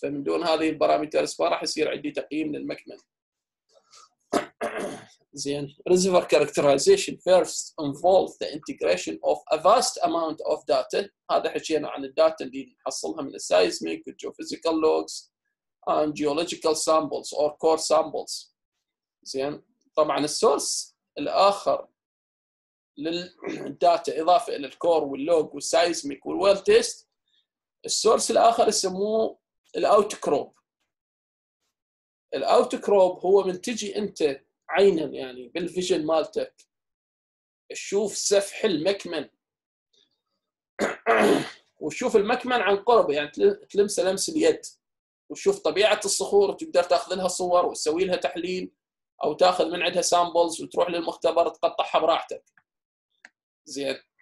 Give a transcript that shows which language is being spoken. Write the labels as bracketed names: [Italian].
[Arabic] فمن دون هذه البارامترز ما راح يصير عندي تقييم للمكمن. زين. [English] Reservoir characterization first involves the integration of a vast amount of data. [Arabic] هذا حكينا عن الداتا اللي نحصلها من [English] seismic, geophysical logs, and geological samples or core samples. [Arabic] زين. طبعا السورس الاخر للداتا اضافه الى الكور واللوج والسايزميك والويل تيست السورس الاخر يسموه الاوتكروب. الاوتكروب هو من تجي انت عينا يعني بالفيجن مالتك تشوف سفح المكمن وتشوف المكمن عن قرب يعني تلمسه لمس اليد وتشوف طبيعه الصخور وتقدر تاخذ لها صور وتسوي لها تحليل او تاخذ من عندها سامبلز وتروح للمختبر تقطعها براحتك. زين.